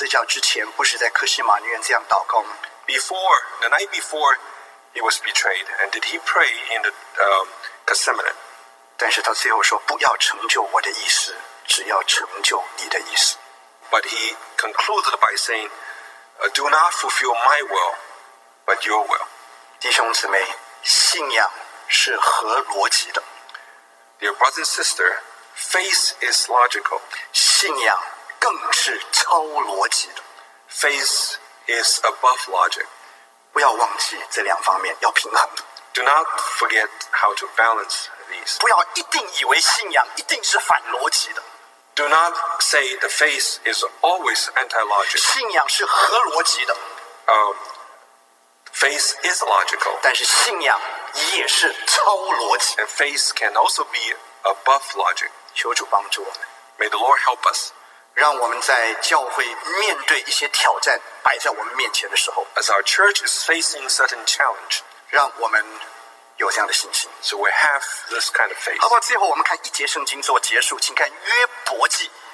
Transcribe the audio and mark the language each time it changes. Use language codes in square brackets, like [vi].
[zh] 主耶稣在十字架上十字架之前，不是在克西马尼园这样祷告吗？ [en] Before the night before he was betrayed, and did he pray in the Gethsemane? [zh] 但是到最后说，不要成就我的意思，只要成就你的意思。 [en] But he concluded by saying, "Do not fulfill my will, but your will." [zh] 弟兄姊妹，信仰是合逻辑的。 [en] Dear brother and sister. Faith is logical. [zh] 信仰更是超逻辑的。 [en] Faith is above logic. [zh] 不要忘记这两方面，要平衡。 [en] Do not forget how to balance these. [zh] 不要一定以为信仰一定是反逻辑的。 [en] Do not say the faith is always anti-logic. [zh] 信仰是合逻辑的。 [en] Faith is logical. [zh] 但是信仰也是超逻辑。 [en] And faith can also be above logic. [zh] 求主帮助我们。 [en] May the Lord help us. [zh] 让我们在教会面对一些挑战摆在我们面前的时候。 [en] As our church is facing certain challenge. [zh] 让我们有这样的信心。 [en] So we have this kind of faith. [zh] 好吧，最后我们看一节圣经做结束，请看约伯记。